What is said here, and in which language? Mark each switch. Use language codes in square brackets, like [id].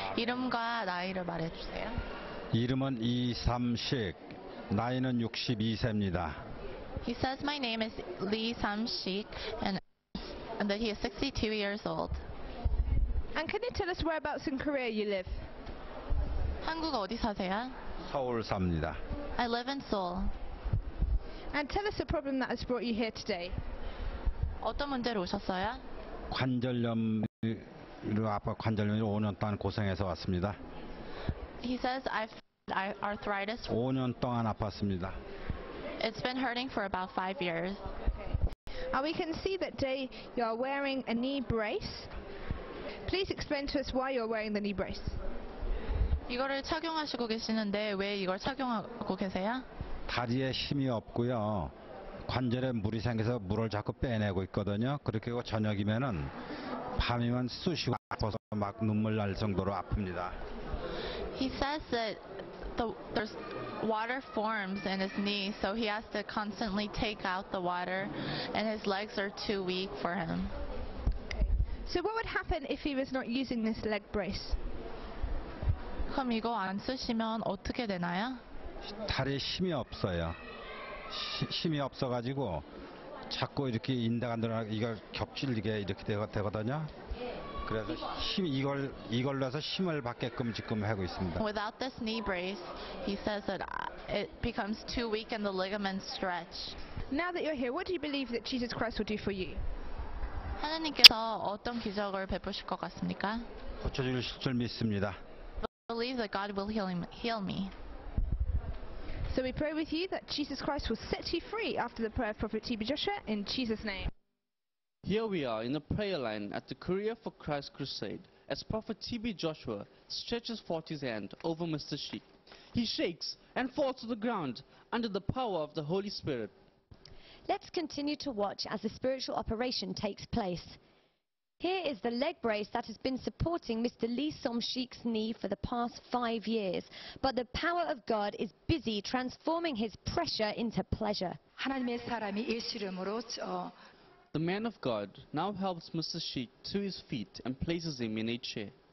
[ko] 이름과 나이를 말해 주세요. 이름은 이삼식. 나이는 62세입니다. [en] He says my name is Lee Samshik and that he is 62 years old. And can you tell us whereabouts in Korea you live? [ko] 한국 어디 사세요? 서울 삽니다. [en] I live in Seoul. And tell us the problem that has brought you here today. [ko] 어떤 문제로 오셨어요? 관절염으로 5년 동안 고생해서 왔습니다. [en] He says I've arthritis. [ko] 5년 동안 아팠습니다. [en] It's been hurting for about 5 years. Okay. And we can see that day you are wearing a knee brace. Please explain to us why you're wearing the knee brace. [ko] 이거를 착용하시고 계시는데 왜 이걸 착용하고 계세요? 다리에 힘이 없고요. 관절에 물이 생겨서 물을 자꾸 빼내고 있거든요. 그렇게 하고 저녁이면은 밤이면 쑤시고 아파서 막 눈물 날 정도로 아픕니다. [en] He says that there's water forms in his knee, so he has to constantly take out the water and his legs are too weak for him. So what would happen if he was not using this leg brace? [ko] 그럼 이거 안 쓰시면 어떻게 되나요? 다리에 힘이 없어요. 힘이 없어가지고 자꾸 이렇게 인대관절이 이걸 겹칠게 이렇게 되거든요. 그래서 힘 이걸로 해서 힘을 받게끔 지금 하고 있습니다. [en] Without this knee brace, he says that it becomes too weak and the ligaments stretch. Now that you're here, what do you believe that Jesus Christ will do for you? [ko] 하나님께서 어떤 기적을 베푸실 것 같습니까? 고쳐주실 줄 믿습니다. [en] Believe that God will heal me. So we pray with you that Jesus Christ will set you free after the prayer of Prophet T.B. Joshua in Jesus' name. Here we are in the prayer line at the Courier for Christ Crusade as Prophet T.B. Joshua stretches forth his hand over Mr. Sheik. He shakes and falls to the ground under the power of the Holy Spirit. Let's continue to watch as the spiritual operation takes place. Here is the leg brace that has been supporting Mr. Lee Somsheik's knee for the past 5 years. But the power of God is busy transforming his pressure into pleasure. [ko] 하나님의 사람이 일시름으로 [en] The man of God now helps Mr. Sheik to his feet and places him in a chair.